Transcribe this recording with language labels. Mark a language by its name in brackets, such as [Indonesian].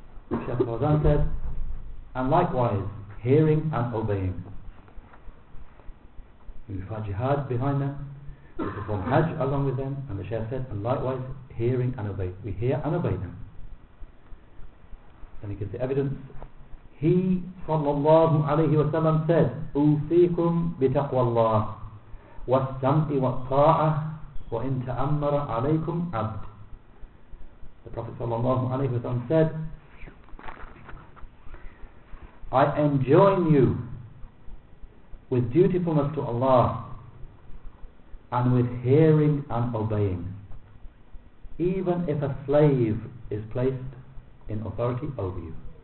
[English] Shaykh al-Fawzan said, and likewise hearing and obeying. We've had jihad behind them, we perform hajj along with them, and the Shaykh said, and likewise hearing and obey. We hear and obey them. And he gives the evidence. [Arabic] He sallallahu alayhi wa sallam said, أُوْفِيكُمْ بِتَقْوَى اللَّهِ وَالسَّمْءِ وَالطَّاعَةِ وَإِنْ تَأَمَّرَ عَلَيْكُمْ عَبْدِ. [English] The Prophet sallallahu alayhi wa sallam said, I enjoin you with dutifulness to Allah and with hearing and obeying, even if a slave is placed in authority over you.